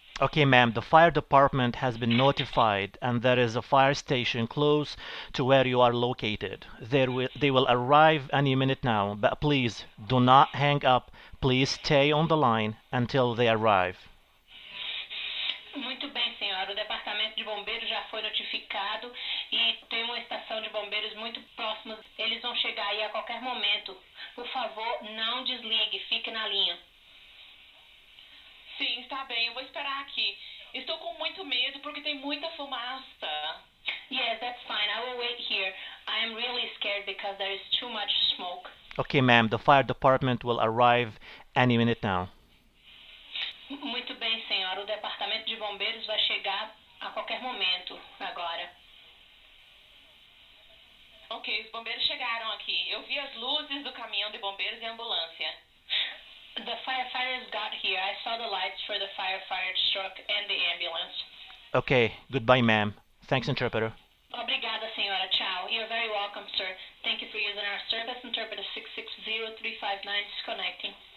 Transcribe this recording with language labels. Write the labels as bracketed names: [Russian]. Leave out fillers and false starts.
[English] Okay, ma'am, the fire department has been notified and there is a fire station close to where you are located. They will arrive any minute now, but please do not hang up. Please stay on the line until they arrive. [Portuguese] Muito bem, senhora. O departamento de bombeiros já foi notificado e tem uma estação de bombeiros muito próxima. Eles vão chegar aí a qualquer momento. Por favor, não desligue. Fique na linha. Sim, está bem. Eu vou esperar aqui. Estou com muito medo porque tem muita fumaça. [English] Yes, that's fine. I will wait here. I am really scared because there is too much smoke. Okay, ma'am. The fire department will arrive any minute now. [Portuguese] Muito bem, senhora. O departamento de bombeiros vai chegar a qualquer momento agora. Ok, os bombeiros chegaram aqui. Eu vi as luzes do caminhão de bombeiros e ambulância. [English] The firefighters got here. I saw the lights for the firefighter's truck and the ambulance. Okay, goodbye, ma'am. Thanks, interpreter. [Portuguese] Obrigada, senhora. Ciao. [English] You're very welcome, sir. Thank you for using our service. Interpreter 660-359 is connecting.